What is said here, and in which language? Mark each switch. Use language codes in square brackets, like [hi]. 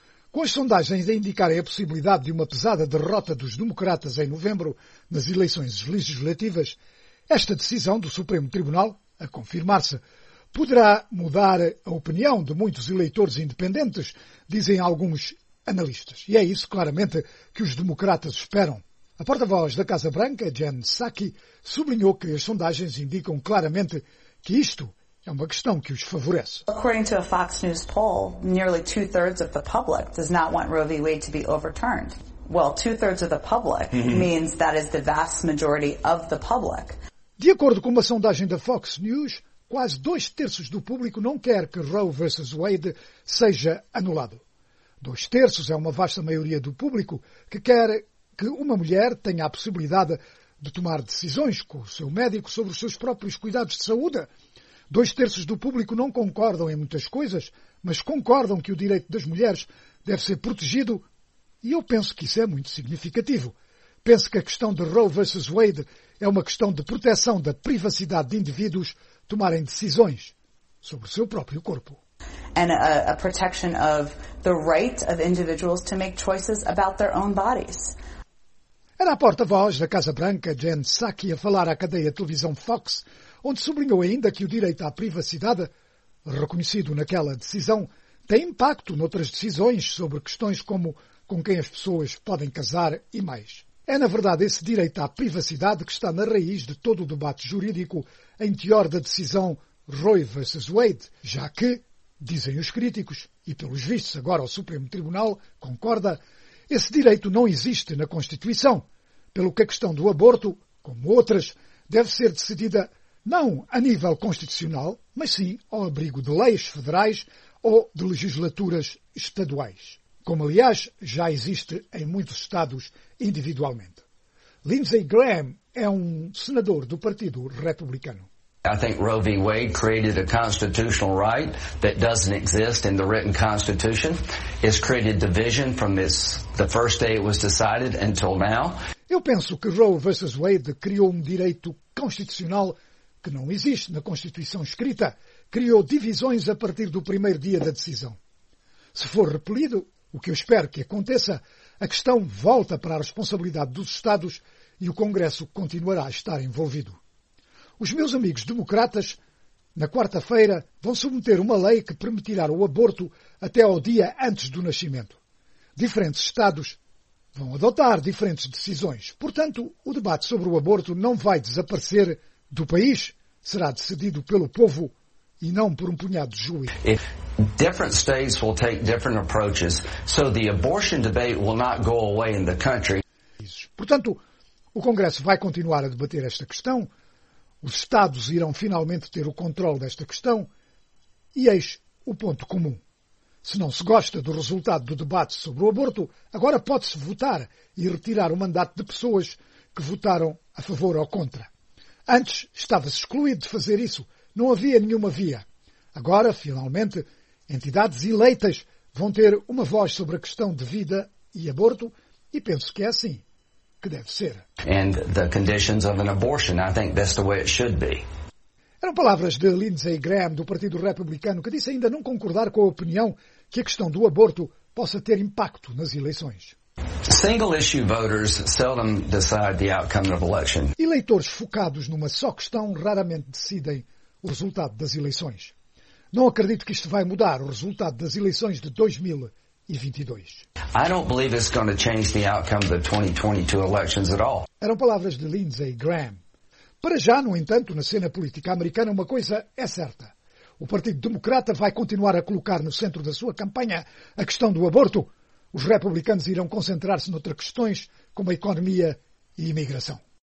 [pt] Com as sondagens a indicarem a possibilidade de uma pesada derrota dos democratas em novembro nas eleições legislativas, esta decisão do Supremo Tribunal, a confirmar-se, poderá mudar a opinião de muitos eleitores independentes, dizem alguns analistas. E é isso, claramente, que os democratas esperam. A porta-voz da Casa Branca, Jen Psaki, sublinhou que as sondagens indicam claramente que isto é uma questão que os favorece. [en] According to a Fox News poll, nearly two-thirds of the public does not want Roe v. Wade to be overturned. Well, two-thirds of the public means that is the vast majority of the public. [pt] De acordo com uma sondagem da Fox News, quase 2/3 do público não quer que Roe v. Wade seja anulado. 2/3 é uma vasta maioria do público que quer que uma mulher tenha a possibilidade de tomar decisões com o seu médico sobre os seus próprios cuidados de saúde. 2/3 do público não concordam em muitas coisas, mas concordam que o direito das mulheres deve ser protegido E eu penso que isso é muito significativo. Penso que a questão de Roe versus Wade é uma questão de proteção da privacidade de indivíduos tomarem decisões sobre o seu próprio corpo. [en] And a protection of the right of individuals to make choices about their own bodies. [pt] Era a porta-voz da Casa Branca, Jen Psaki, a falar à cadeia de televisão Fox, onde sublinhou ainda que o direito à privacidade, reconhecido naquela decisão, tem impacto noutras decisões sobre questões como com quem as pessoas podem casar e mais. É, na verdade, esse direito à privacidade que está na raiz de todo o debate jurídico em teor da decisão Roe versus Wade, já que, dizem os críticos, e pelos vistos agora o Supremo Tribunal concorda, esse direito não existe na Constituição, pelo que a questão do aborto, como outras, deve ser decidida não a nível constitucional, mas sim ao abrigo de leis federais ou de legislaturas estaduais, como, aliás, já existe em muitos estados individualmente. Lindsey Graham é um senador do Partido Republicano. [en] I think Roe v. Wade created a constitutional right that doesn't exist in the written constitution. It's created division from this the first day it was decided until now. [pt] Eu penso que Roe v. Wade criou um direito constitucional que não existe na Constituição escrita, criou divisões a partir do primeiro dia da decisão. Se for repelido, o que eu espero que aconteça, a questão volta para a responsabilidade dos Estados e o Congresso continuará a estar envolvido. Os meus amigos democratas, na quarta-feira, vão submeter uma lei que permitirá o aborto até ao dia antes do nascimento. Diferentes estados vão adotar diferentes decisões. Portanto, o debate sobre o aborto não vai desaparecer do país. Será decidido pelo povo e não por um punhado de juízes. [en] Different states will take different approaches, so the abortion debate will not go away in the country. [pt] Portanto, o Congresso vai continuar a debater esta questão. Os Estados irão finalmente ter o controle desta questão e eis o ponto comum. Se não se gosta do resultado do debate sobre o aborto, agora pode-se votar e retirar o mandato de pessoas que votaram a favor ou contra. Antes estava-se excluído de fazer isso. Não havia nenhuma via. Agora, finalmente, entidades eleitas vão ter uma voz sobre a questão de vida e aborto e penso que é assim. [en] And the conditions of an abortion, I think that's the way it should be. [pt] Eram palavras de Lindsey Graham, do Partido Republicano, que disse ainda não concordar com a opinião que a questão do aborto possa ter impacto nas eleições. [en] Single-issue voters seldom decide the outcome of election. [pt] Eleitores focados numa só questão raramente decidem o resultado das eleições. Não acredito que isto vai mudar o resultado das eleições de 2022. [en] I don't believe it's going to change the outcome of the 2022 elections at all. [pt] Eram palavras de Lindsey Graham. Para já, no entanto, na cena política americana, uma coisa é certa. O Partido Democrata vai continuar a colocar no centro da sua campanha a questão do aborto. Os republicanos irão concentrar-se noutras questões, como a economia e a imigração.